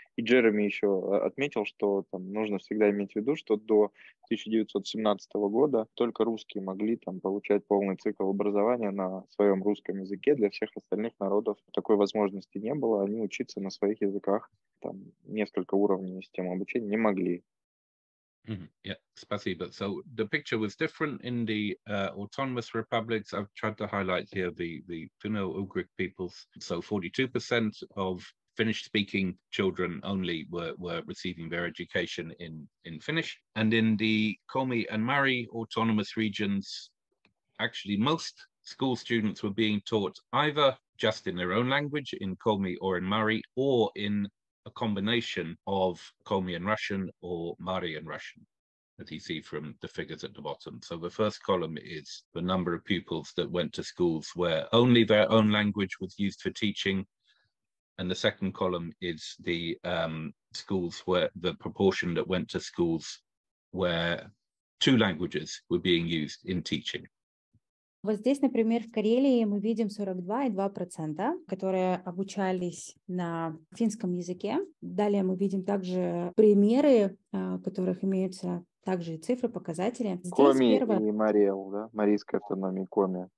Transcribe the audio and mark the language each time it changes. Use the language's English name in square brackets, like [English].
[Russian] И Джереми еще отметил, что там нужно всегда иметь в виду, что до 1917 года только русские могли там получать полный цикл образования на своем русском языке, для всех остальных народов такой возможности не было, они учиться на своих языках, там, несколько уровней системы обучения не могли. Mm-hmm. Yeah, спасибо. [English] So the picture was different in the autonomous republics. I've tried to highlight here the Finno-Ugric peoples. So 42% of Finnish-speaking children only were receiving their education in Finnish. And in the Komi and Mari autonomous regions, actually most school students were being taught either just in their own language, in Komi or in Mari, or in a combination of Komi and Russian or Mari and Russian, as you see from the figures at the bottom. So the first column is the number of pupils that went to schools where only their own language was used for teaching. And the second column is the schools where the proportion that went to schools where two languages were being used in teaching. [Russian] Вот здесь, например, в Карелии мы видим 42,2%, которые обучались на финском языке. Далее мы видим также примеры, в которых имеются также и цифры, показатели. Здесь Коми первое... и Мариэл, да? Марийская автономия, Коми.